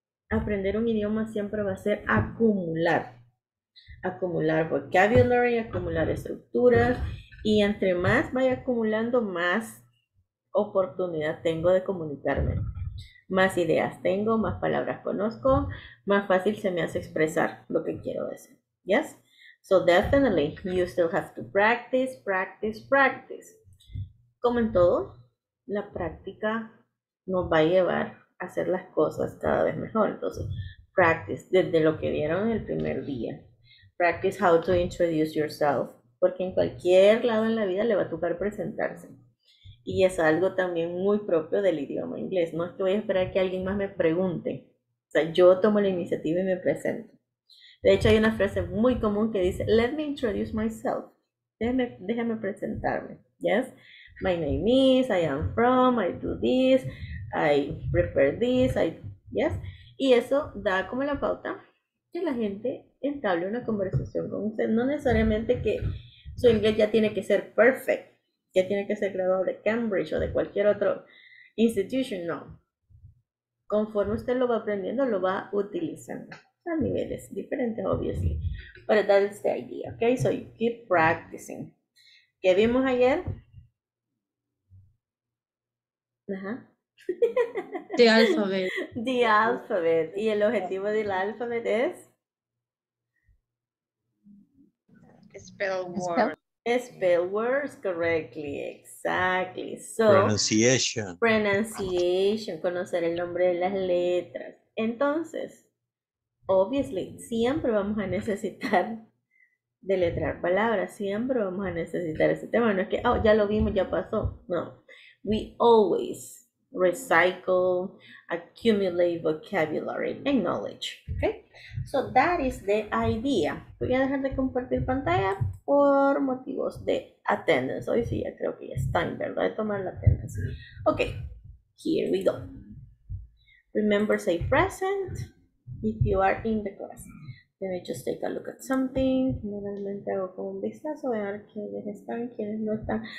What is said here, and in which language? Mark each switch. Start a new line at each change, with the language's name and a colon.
Spanish: Aprender un idioma siempre va a ser acumular. Acumular vocabulary, acumular estructuras. Y entre más vaya acumulando, más oportunidad tengo de comunicarme. Más ideas tengo, más palabras conozco, más fácil se me hace expresar lo que quiero decir.
English: ¿Yes? So definitely, you still have to practice, practice, practice.
Spanish: Como en todo, la práctica nos va a llevar a hacer las cosas cada vez mejor. Entonces, practice desde lo que vieron el primer día.
English: Practice how to introduce yourself.
Spanish: Porque en cualquier lado en la vida le va a tocar presentarse. Y es algo también muy propio del idioma inglés. No es que voy a esperar que alguien más me pregunte. O sea, yo tomo la iniciativa y me presento. De hecho, hay una frase muy común que dice,
English: let me introduce myself.
Spanish: Déjame presentarme. Yes?
English: My name is, I am from, I do this, I prefer this. Yes?
Spanish: Y eso da como la pauta que la gente entable una conversación con usted. No necesariamente que su inglés ya tiene que ser perfect. Ya tiene que ser graduado de Cambridge o de cualquier otro institution. No. Conforme usted lo va aprendiendo, lo va utilizando. A niveles diferentes,
English: obviously, but that is the idea, okay? So you keep practicing.
Spanish: ¿Qué vimos ayer?
English: The alphabet. The alphabet.
Spanish: ¿Y el objetivo del alphabet es?
English: Spell words. Spell words, correctly, exactly. So, pronunciation.
Spanish: Pronunciation, conocer el nombre de las letras. Entonces, obviously, siempre vamos a necesitar deletrear palabras, siempre vamos a necesitar ese tema, no es que, oh, ya lo vimos, ya pasó, no.
English: We always recycle, accumulate vocabulary and knowledge, okay? So that is the idea.
Spanish: Voy a dejar de compartir pantalla por motivos de attendance. Hoy sí, ya creo que ya está, ¿verdad? De tomar la attendance.
English: Okay, here we go. Remember, say present if you are in the class. Let me just take a look at something.
Spanish: Normalmente hago como un vistazo, a ver quiénes están, quiénes no están.